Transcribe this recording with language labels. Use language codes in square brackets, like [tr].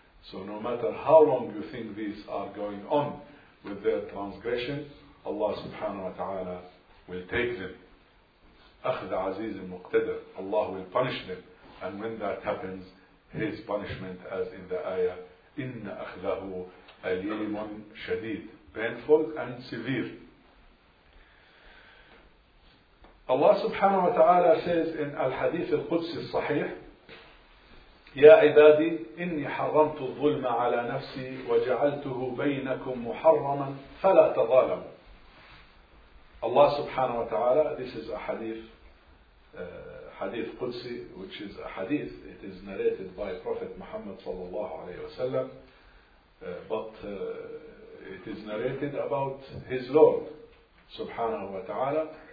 [en] So no matter how long you think these are going on with their transgression, Allah subhanahu wa ta'ala will take them. [ar] أخذ عزيز مقتدر, [en] Allah will punish them. And when that happens, His punishment, as in the ayah, [ar] إِنَّ أَخْذَهُ أَلِيمٌ شَدِيدٌ, [en] painful and severe. Allah subhanahu wa ta'ala says in al-hadith al-Qudsi al-Sahih, [ar] يَا عِبَادِي إِنِّي حَرَّمْتُ الظُّلْمَ عَلَى نَفْسِي وَجَعَلْتُهُ بَيْنَكُمْ مُحَرَّمًا فَلَا تَظَالَمُ. [en] Allah subhanahu wa ta'ala, this is a hadith, hadith Qudsi, which is a hadith, it is narrated by Prophet Muhammad sallallahu alayhi wa sallam, but it is narrated about his Lord subhanahu wa ta'ala.